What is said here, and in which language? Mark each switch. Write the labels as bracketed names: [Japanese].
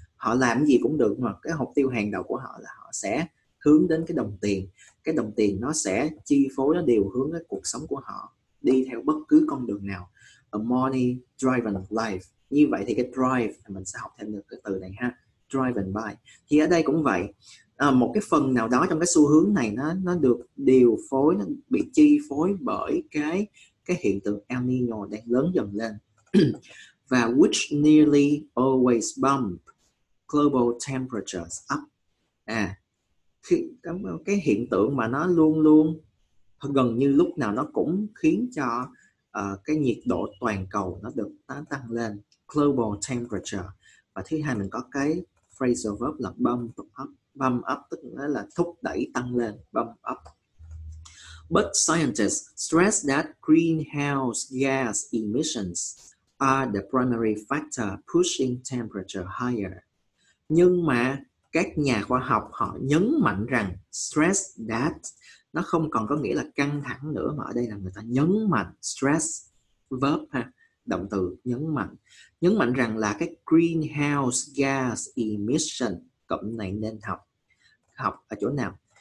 [Vietnamese] Họ làm gì cũng được mà cái mục tiêu hàng đầu của họ là họ sẽ hướng đến cái đồng tiền, nó sẽ chi phối, nó điều hướng cái cuộc sống của họ đi theo bất cứ con đường nào. [English] A money driven life. [Vietnamese] Như vậy thì cái drive thì mình sẽ học thêm được cái từ này ha, driven by. Thì ở đây cũng vậy, một cái phần nào đó trong cái xu hướng này nó được điều phối, nó bị chi phối bởi cái hiện tượng El Nino đang lớn dần lên. Và [English] which nearly always bump global temperatures up. [Vietnamese] À, cái hiện tượng mà nó luôn luôn, gần như lúc nào nó cũng khiến cho cái nhiệt độ toàn cầu nó được tăng lên, global temperature. Và thứ hai mình có cái phrasal verb là bump up, tức là thúc đẩy tăng lên, bump up. [English] But scientists stress that greenhouse gas emissions are the primary factor pushing temperature higher. [Vietnamese] Nhưng mà các nhà khoa học họ nhấn mạnh rằng [English] stress that, [Vietnamese] nó không còn có nghĩa là căng thẳng nữa, mà ở đây là người ta nhấn mạnh, stress verb ha, động từ nhấn mạnh rằng là cái greenhouse gas emission, cụm này nên học. Học ở chỗ nào?